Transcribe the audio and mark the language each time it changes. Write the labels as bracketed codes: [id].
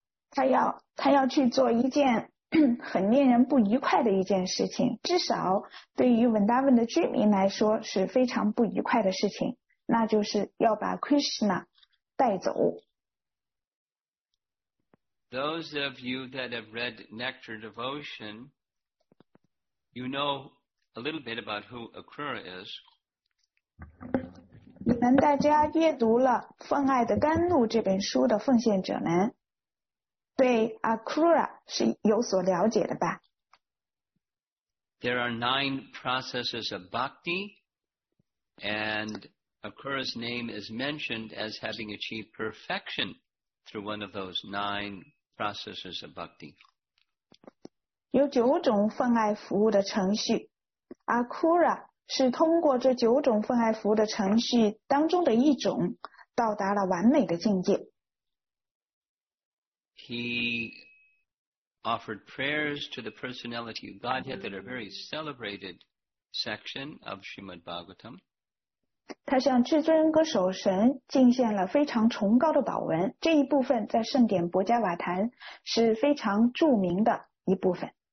[zh] 至少他要去做一件 很令人不愉快的一件事情，至少对于文达文的居民来说是非常不愉快的事情， 那就是要把Krishna带走。 [en] Those of you that have read Nectar Devotion, you know a little bit about who Akura is. [zh] 你们大家阅读了《奉爱的甘露》这本书的奉献者们， 对Akura是有所了解的吧？ [en] There are 9 processes of bhakti, and Akura's name is mentioned as having achieved perfection through one of those 9 processes of bhakti. [zh] 有9种奉爱服务的程序， Akura 是通过这九种奉爱服务的程序当中的一种，到达了完美的境界。 [en] He offered prayers to the personality of Godhead that are very celebrated section of Srimad Bhagavatam. [zh] 他向至尊歌手神敬献了非常崇高的祷文，这一部分在圣典博迦瓦坛是非常著名的一部分。